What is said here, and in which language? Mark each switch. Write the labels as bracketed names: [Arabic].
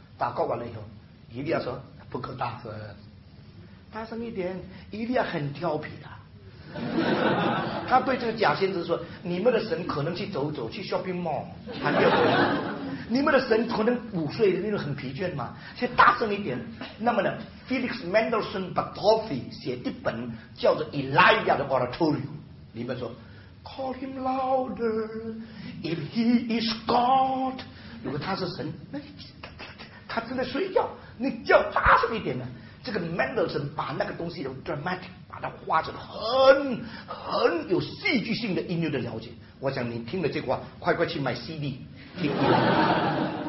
[Chinese] 祷告完了以后，伊利亚说不可大声，大声一点。伊利亚很调皮的，他对这个假先知说，你们的神可能去走走，去 shopping mall 还没有回来，你们的神可能午睡的那种很疲倦嘛，先大声一点。那么呢， Felix Mendelssohn Bartholdy 写一本叫做 Elijah 的 Oratorio， 里面说 [English] Call him louder if he is God。 [Chinese] 如果他是神，那他正在睡觉，你叫大声一点呢。这个 Mendelssohn 把那个东西的 dramatic 把它画成很有戏剧性的音乐的了解。我想你听了这话，快快去买 CD 听一下。